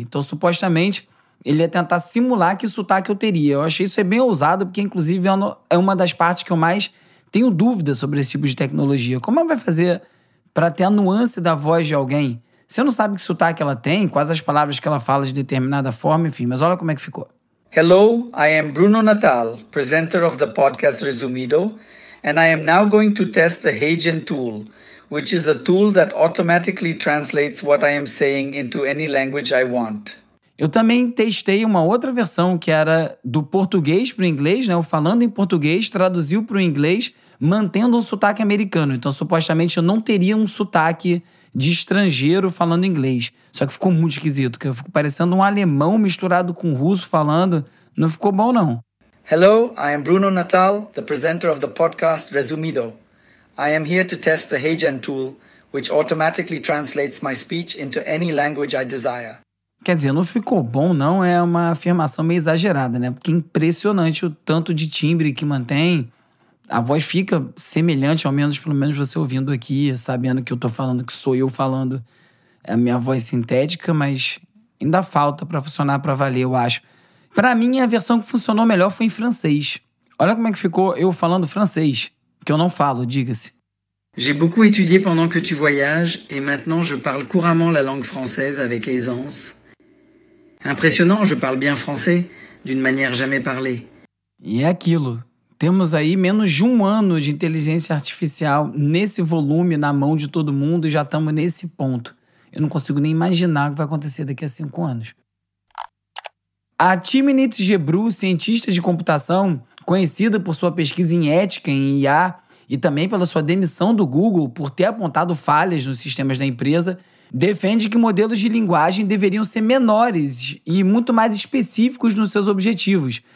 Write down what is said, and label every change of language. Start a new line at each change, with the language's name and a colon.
Portuguese: Então, supostamente, ele ia tentar simular que sotaque eu teria. Eu achei isso bem ousado, porque, inclusive, é uma das partes que eu mais tenho dúvida sobre esse tipo de tecnologia. Como ela vai fazer para ter a nuance da voz de alguém? Você não sabe que sotaque ela tem, quais as palavras que ela fala de determinada forma, enfim. Mas olha como é que ficou.
English: Hello, I am Bruno Natal, presenter of the podcast Resumido, and I am now going to test the HeyGen tool, which is a tool that automatically translates what I am saying into any language I want.
Portuguese: Eu também testei uma outra versão que era do português para o inglês, né? Eu falando em português, traduziu para o inglês, mantendo um sotaque americano. Então, supostamente, eu não teria um sotaque de estrangeiro falando inglês. Só que ficou muito esquisito, porque eu fico parecendo um alemão misturado com russo falando. Não ficou bom, não.
English: Hello, I am Bruno Natal, the presenter of the podcast Resumido. I am here to test the HeyGen tool, which automatically translates my speech into any language I desire.
Portuguese: Quer dizer, não ficou bom, não, é uma afirmação meio exagerada, né? Porque é impressionante o tanto de timbre que mantém. A voz fica semelhante, ao menos, pelo menos você ouvindo aqui, sabendo que eu tô falando, que sou eu falando a minha voz sintética, mas ainda falta pra funcionar pra valer, eu acho. Pra mim, a versão que funcionou melhor foi em francês. Olha como é que ficou eu falando francês. Que eu não falo, diga-se.
French: J'ai beaucoup étudié pendant que tu voyages et maintenant je parle couramment la langue française avec aisance. Impressionnant, je parle bien français d'une manière jamais parlée.
Portuguese: E é aquilo. Temos aí menos de um ano de inteligência artificial nesse volume, na mão de todo mundo, e já estamos nesse ponto. Eu não consigo nem imaginar o que vai acontecer daqui a 5 anos. A Timnit Gebru, cientista de computação, conhecida por sua pesquisa em ética em IA e também pela sua demissão do Google por ter apontado falhas nos sistemas da empresa, defende que modelos de linguagem deveriam ser menores e muito mais específicos nos seus objetivos.